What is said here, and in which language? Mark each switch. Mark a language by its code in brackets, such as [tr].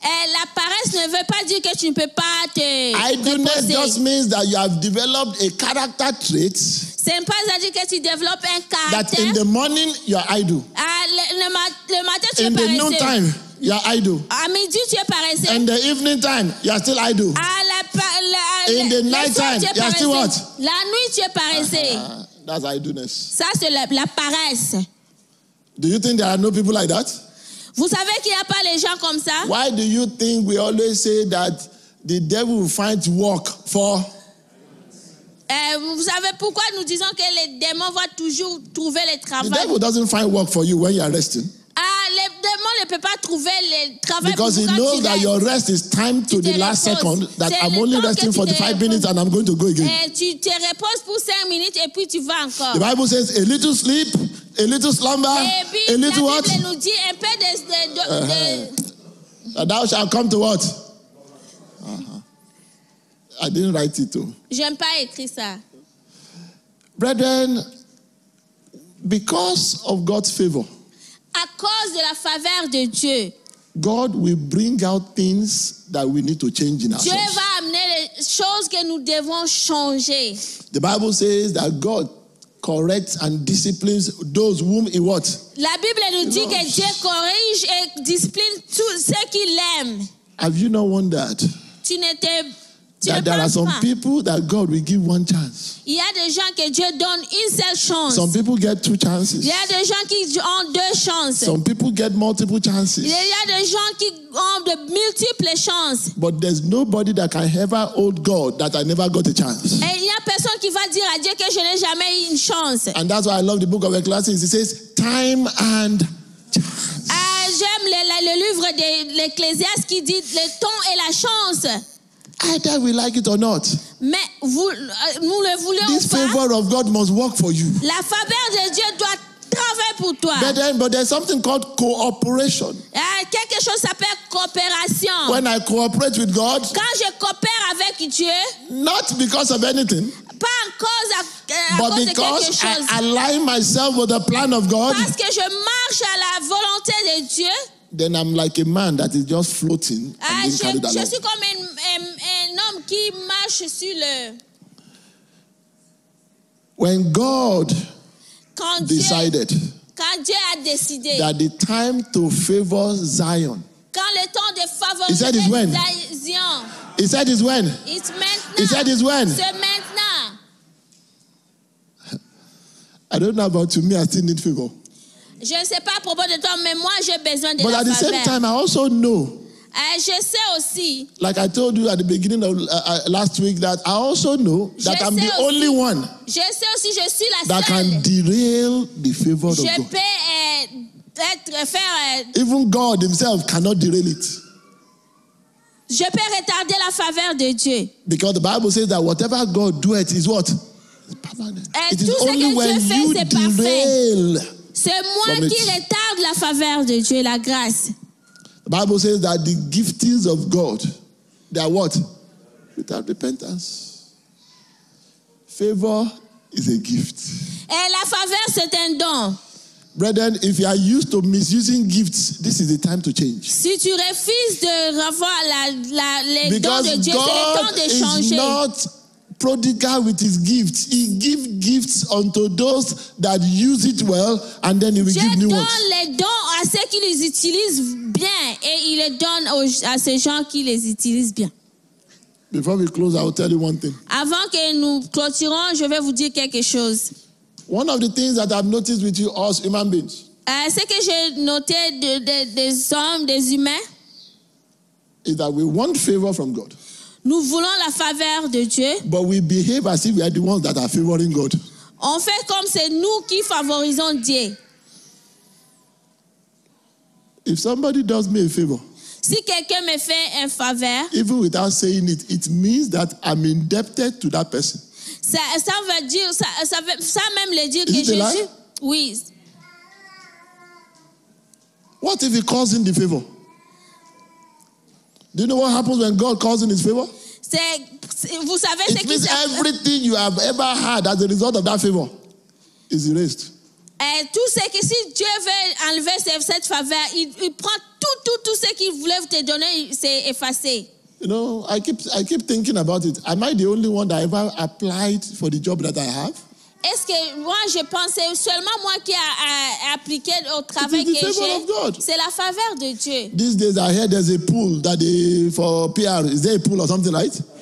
[fr] La paresse ne veut pas dire que tu ne peux pas te [en] idleness [fr] reposer. [en] Just means that you have developed a character trait. [fr] Ce n'est pas à dire que tu développes un caractère. [en] That in the morning you are idle. [fr] Le matin tu es paresseux. [en] In the noon time. You are idle. [fr] À midi, tu es paresseux. [en] In the evening time, you are still idle. In the night time, you are still what? [fr] La nuit, tu es paresseux. [en] That's idleness. [fr] Ça, c'est la paresse. [en] Do you think there are no people like that? [fr] Vous savez qu'il n'y a pas les gens comme ça? [en] Why do you think we always say that the devil finds work for? [fr] Vous savez pourquoi nous disons que les démons vont toujours trouver le travail? [en] The devil doesn't find work for you when you are resting. [fr] Le démon ne peut pas trouver le travail. [en] Because he knows that your rest is timed to the last second, that I'm only resting for 45 minutes and I'm going to go again. [fr] Tu te reposes pour 5 minutes et puis tu vas encore. [en] The Bible says a little sleep, a little slumber, [fr] puis, [en] a little what? [fr] Nous dit un peu de [en] thou shalt come to what? Uh-huh. I didn't write it too. [fr] J'aime pas écrire ça. [en] Brethren, because of God's favor, [fr] à cause de la faveur de Dieu, [en] God will bring out things that we need to change in ourselves. [fr] Dieu va amener les choses que nous devons changer. [en] The Bible says that God corrects and disciplines those whom he what? [fr] La Bible nous dit que Dieu corrige et discipline tous ceux qu'il aime. [en] Have you not wondered? [fr] Tu n'étais, [en] that there are some people that God will give one chance. [fr] Il y a des gens que Dieu donne une seule chance. [en] Some people get two chances. [fr] Il y a des gens qui ont deux chances. [en] Some people get multiple chances. [fr] Il y a des gens qui ont de multiples chances. [en] But there's nobody that can ever hold God that I never got a chance. [fr] Et il y a personne qui va dire à Dieu que je n'ai jamais eu une chance. [en] And that's why I love the book of Ecclesiastes. It says time and chance. [fr] J'aime le livre de l'Ecclésiaste qui dit le temps et la chance. [en] Either we like it or not. [fr] Mais vous, nous le voulons [en] this [fr] pas. [en] Favor of God must work for you. [fr] La faveur de Dieu doit travailler pour toi. [en] But there's something called cooperation. [fr] Quelque chose s'appelle coopération. [en] When I cooperate with God. [fr] Quand je coopère avec Dieu. [en] Not because of anything. [fr] Pas en cause [en] but because [fr] de quelque chose. [en] I align myself with the plan of God. [fr] Parce que je marche à la volonté de Dieu. [en] Then I'm like a man that is just floating and being carried along. [fr] Je suis comme un homme qui marche sur le. [en] When God decided [fr] quand Dieu a décidé [en] that the time to favor Zion. [fr] Quand le temps de favoriser [en] Zion. He said it's when. Zion. He said it's when. It's maintenant. He said it's when. [fr] C'est maintenant. [en] I don't know about you, me, I still need favor. [fr] Je ne sais pas à propos de toi, mais moi j'ai besoin de [en] but [fr] la faveur. [en] But at the same time, I also know. [fr] Je sais aussi. [en] Like I told you at the beginning of last week, that I also know that I'm [fr] aussi, [en] the only one. [fr] Je sais aussi, je suis la [en] that [fr] seule. [en] That can derail the favor [fr] je [en] of God. [fr] Je peux être faire. [en] Even God himself cannot derail it. [fr] Je peux retarder la faveur de Dieu. [en] Because the Bible says that whatever God doeth is what? Et it is only when fait, you derail. [fr] C'est moi qui retarde la faveur de Dieu et la grâce. [en] The Bible says that the giftings of God, they are what? Without repentance. Favor is a gift. [fr] Et la faveur, c'est un don. [en] Brethren, if you are used to misusing gifts, this is the time to change. [fr] Si tu refuses de revoir les [en] because [fr] dons de Dieu, [en] God [fr] c'est le temps de changer. [en] Is not prodigal with his gifts. He gives gifts unto those that use it well and then he will [fr] Dieu [en] give new [fr] donne [en] ones. [fr] Les dons à ceux qui les utilisent bien et il les donne à ces gens qui les utilisent bien. [en] Before we close, I will tell you one thing. [fr] Avant que nous clôturons, je vais vous dire quelque chose. [en] One of the things that I've noticed with you, us human beings. [fr] Ce que j'ai noté des hommes, des humains. [en] Is that we want favor from God. [fr] Nous voulons la faveur de Dieu. [en] But we behave as if we are the ones that are favoring God. [fr] On fait comme c'est nous qui favorisons Dieu. [en] If somebody does me a favor. [fr] Si quelqu'un me fait un faveur. [en] Even without saying it, it means that I'm indebted to that person. [fr] Ça veut dire, ça même le dire que [en] Jésus. Lie? [fr] Oui. [en] What if he calls in the favor? Do you know what happens when God calls in his favor? [fr] Vous savez [en] it means everything you have ever had as a result of that favor is erased. [fr] Tout ce que si Dieu veut enlever cette faveur, il prend tout ce qu'il voulait te donner, c'est effacé. [en] You know, I keep thinking about it. Am I the only one that ever applied for the job that I have? [fr] Est-ce que moi je pense c'est seulement moi qui a appliqué au travail que j'ai? C'est la faveur de Dieu. [en] These days I hear there's a pool that they for PR. Is there a pool or something like?